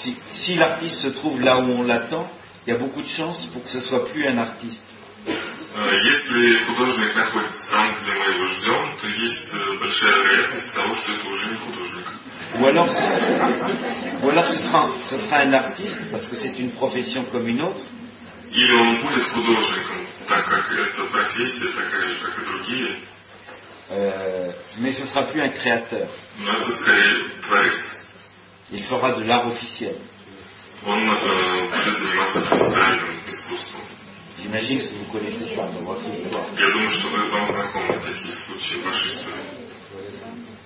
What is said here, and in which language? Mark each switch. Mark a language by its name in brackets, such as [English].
[French] Si l'artiste se trouve là où on l'attend, il y a beaucoup de chances pour que ce soit plus un artiste. [Russian] Если художник находится там, где мы его ждем, то есть большая вероятность того, что это уже не художник. [French] Ou alors ce sera un artiste parce que c'est une profession comme une autre. [Russian] Или он будет художником, так как это профессия такая же, как и другие. [French] Mais ce sera plus un créateur. [Russian] Но это скорее творец. [French] Il fera de l'art officiel. [Russian] Он будет заниматься официальным искусством. [French] J'imagine que vous connaissez ça dans votre histoire. [Russian] Я думаю, что вы вам знакомы такие случаи в вашей истории.